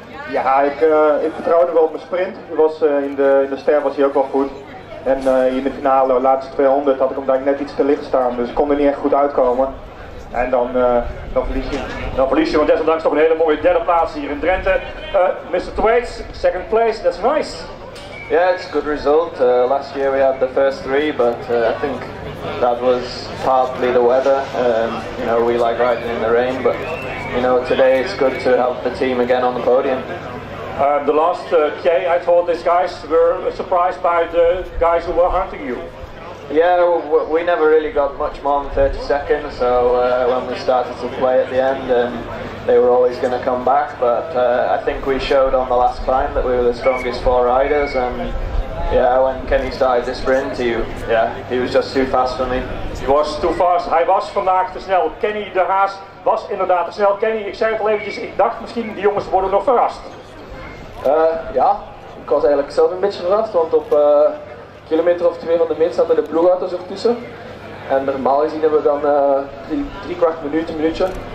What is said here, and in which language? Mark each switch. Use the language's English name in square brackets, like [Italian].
[Dutch] Ja, ik vertrouwde wel op mijn sprint. In de ster was hij ook wel goed. En in de finale, de laatste 200, had ik hem net iets te licht staan. Dus ik kon er niet echt goed uitkomen. En dan verlies je. Dan verlies je, want desondanks toch een hele mooie derde plaats hier in Drenthe. [English] Mr. Twaits, second place, that's nice. Yeah, it's a good result. Last year we had the first three, but I think that was partly the weather. You know, we like riding in the rain, but you know, today it's good to have the team again on the podium. The last K, I thought these guys were surprised by the guys who were hunting you. Yeah, we never really got much more than 30 seconds, so when we started to play at the end, they were always going to come back, but I think we showed on the last climb that we were the strongest four riders, and yeah, when Kenny started the sprint, he was just too fast for me. He was too fast, [Dutch] hij was vandaag te snel. Kenny de Haas was inderdaad te snel. Kenny, ik zei het al eventjes, ik dacht misschien die jongens worden nog verrast. Ja, ik was eigenlijk zelf een beetje verrast, want op kilometer of twee van de meet zaten de ploegauto's ertussen. En normaal gezien hebben we dan drie kwart minuut, een minuutje.